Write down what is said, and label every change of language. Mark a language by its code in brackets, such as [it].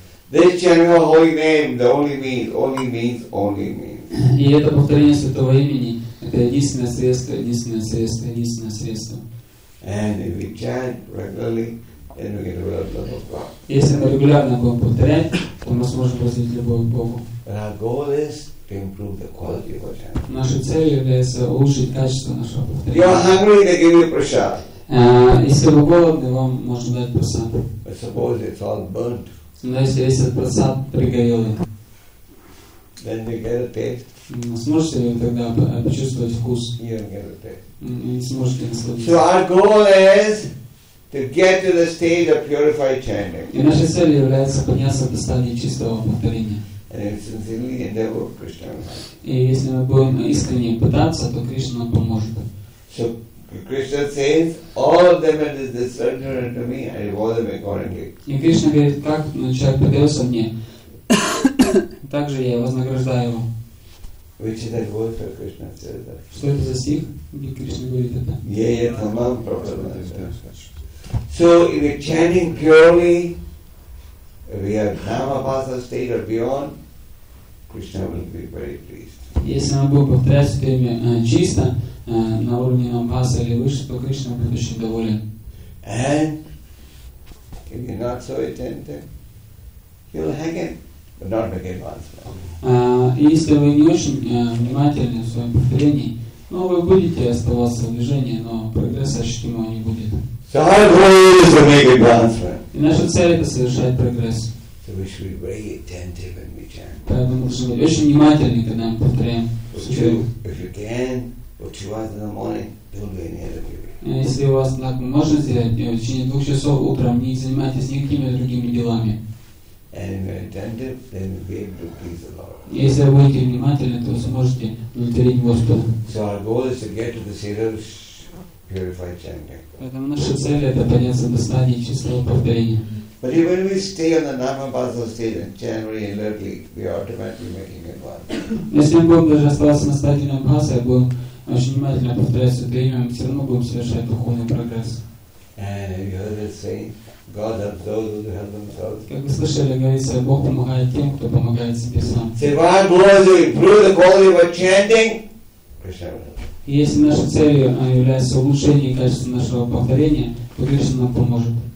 [en] This chanting of holy name, the only means, only means, only means. [ru] И это повторение святого имени, это единственное средство, единственное средство, единственное средство. [en] And if we chant regularly, then we get a real love of God. [ru] Если мы регулярно будем повторять, то мы сможем развить любовь к Богу. [en] But our goal is to improve the quality of our chanting. [ru] Наша цель является улучшить качество нашего повторения. [en] You are hungry, they give you prasad. [ru] Если вы голодны, вам можно дать прасад. [en] But suppose it's all burnt. [ru] Но если этот прасад пригорел, [en] then you get a taste. [ru] Сможете ли тогда почувствовать вкус? [en] So our goal is to get to the stage of purified chanting. [ru] И наша цель является подняться до стадии чистого повторения. [en] And if sincerely endeavor, Krishna will help. [ru] И если мы будем искренне пытаться, то Кришна нам поможет. [en] So Krishna says, all of them that is discerned unto me, I reward them accordingly. [ru] И Кришна говорит, как человек предается мне, также я вознаграждаю его. [en] Which is that word that Krishna says that? [ru] Что это за стих, где Кришна говорит это? [en] Yeah, tamam, so if we're chanting purely, we have Dhammapasa state or beyond, Krishna will be very pleased. [ru] Если мы будем повторять это имя чисто, на уровне Дхаммапаса или выше, то Кришна будет очень доволен. [en] And if you're not so attentive, you'll hang in. But not make advancement. [ru] Если вы не очень внимательны в своем повторении, ну вы будете оставаться в движении, но прогресса ощутимого не будет. [en] So our goal is to make advancement. [ru] И наша цель это совершать прогресс. [en] So we should be very attentive when we chant. [ru] Поэтому мы должны быть очень внимательны, когда мы повторяем. [en] If you can, what you want in the morning, don't do any other thing. [ru] Если у вас так можно сделать, в течение 2 часов утром не занимайтесь никакими другими делами. [en] And if you're attentive, then you'll be able to please the Lord. [ru] Если вы будете внимательны, то сможете удовлетворить Господа. [en] So our goal is to get to the seat of purified chanting. [ru] Поэтому наша цель это понять состояние чистого повторения. [en] But even if we stay on the Namabhasa state and chant very inertly, we are automatically making it one. [ru] Если мы будем даже оставаться на стадии Намабхасы, будем очень внимательно повторять сутрию, мы все равно будем совершать духовный прогресс. [en] And you heard it say, God helps those who help themselves. [ru] Как вы слышали, говорится, Бог помогает тем, кто помогает себе сам. [en] Say, if our goal is to improve the quality of our chanting, Krishna will help. [ru] Если нашей целью является улучшение качества нашего повторения, то Кришна нам поможет.